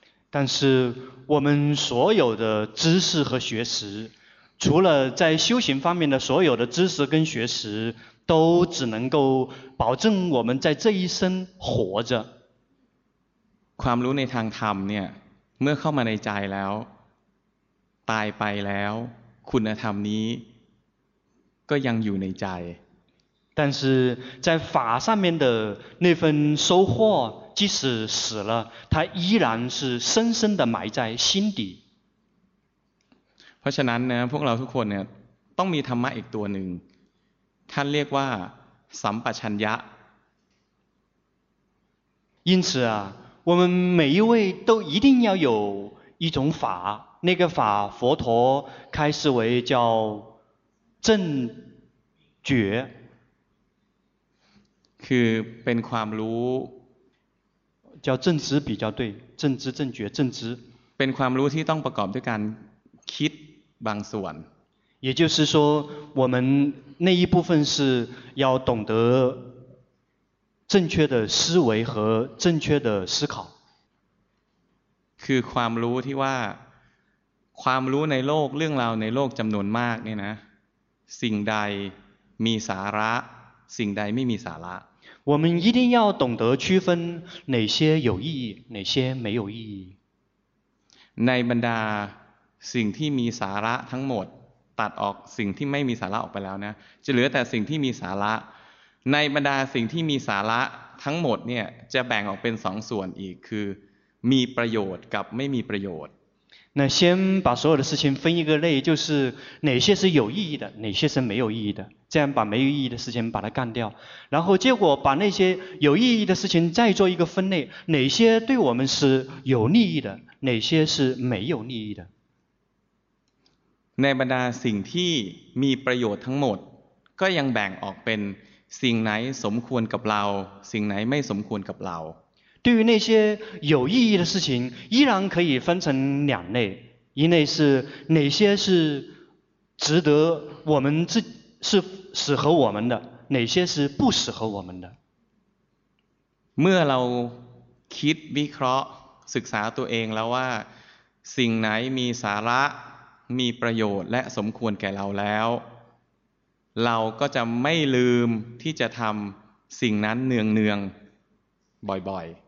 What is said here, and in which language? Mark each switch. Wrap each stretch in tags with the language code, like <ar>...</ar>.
<zh>但是我们所有的知识和学识除了在修行方面的所有的知识跟学识都只能够保证我们在这一生活着</zh> <th>ความรู้ในทางธรรมเนี่ยเมื่อเข้ามาในใจแล้วตายไปแล้วคุณธรรมนี้ก็ยังอยู่ในใจ</th> <zh>但是在法上面的那份收获即使死了它依然是深深的埋在心底</zh> <th>เพราะฉะนั้นนะพวกเราทุกคนเนี่ยต้องมีธรรมะอีกตัวหนึ่งท่านเรียกว่าสัมปชัญญะ</th> <zh>因此啊我们每一位都一定要有一种法那个法佛陀开示为叫正觉</zh> <th>คือเป็นความรู้</th> <zh>叫正知比较对正知正觉正知</zh> <th>เป็นความรู้ที่ต้องประกอบด้วยการคิดบางส่วน</th> <zh>也就是说我们那一部分是要懂得正确的思维和正确的思考</zh> <th>คือความรู้ที่ว่าความรู้ในโลกเรื่องราวในโลกจำนวนมากเนี่ยนะ สิ่งใดมีสาระสิ่งใดไม่มีสาระ</th> <zh>我们一定要懂得区分哪些有意义哪些没有意义</zh> <th>ในบรรดาสิ่งที่มีสาระทั้งหมดตัดออกสิ่งที่ไม่มีสาระออกไปแล้วนะจะเหลือแต่สิ่งที่มีสาระในบรรดาสิ่งที่มีสาระทั้งหมดเนี่ยจะแบ่งออกเป็นสองส่วนอีกคือมีประโยชน์กับไม่มีประโยชน์</th> <zh>那先把所有的事情分一个类就是哪些是有意义的哪些是没有意义的这样把没有意义的事情把它干掉然后结果把那些有意义的事情再做一个分类哪些对我们是有利益的哪些是没有利益的</zh> <th>ในบรรดาสิ่งที่มีประโยชน์ทั้งหมดก็ยังแบ่งออกเป็นสิ่งไหนสมควรกับเราสิ่งไหนไม่สมควรกับเรา</th> <zh>对于那些有意义的事情依然可以分成两类一类是哪些是值得我们自是适合我们的哪些是不适合我们的</zh> <th>เมื่อเราคิดวิเคราะห์ศึกษาตัวเองแล้วว่าสิ่งไหนมีสาระมีประโยชน์และสมควรแก่เราแล้วเราก็จะไม่ลืมที่จะทำสิ่งนั้นเนืองๆบ่อย</th>